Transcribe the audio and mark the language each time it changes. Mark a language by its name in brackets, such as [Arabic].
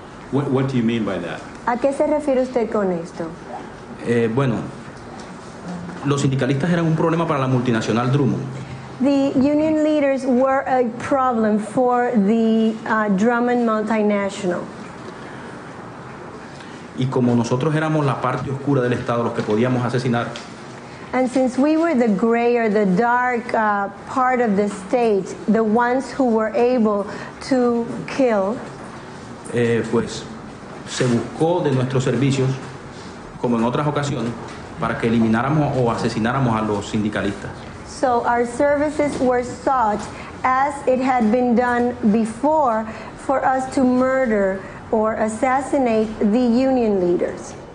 [English] What do you mean by that? [Spanish] ¿A qué se refiere usted con esto? Bueno, los sindicalistas eran un problema para la multinacional Drummond. [English] The union leaders were a problem for the Drummond multinational. [Spanish] Y como nosotros éramos la parte oscura del Estado, los que podíamos asesinar. [English] And since we were the gray or the dark part of the state, the ones who were able to kill. [Spanish] Pues se buscó de nuestros servicios, como en otras ocasiones, para que elimináramos o asesináramos a los sindicalistas. [English] So our services were sought, as it had been done before, for us to murder or assassinate the union leaders.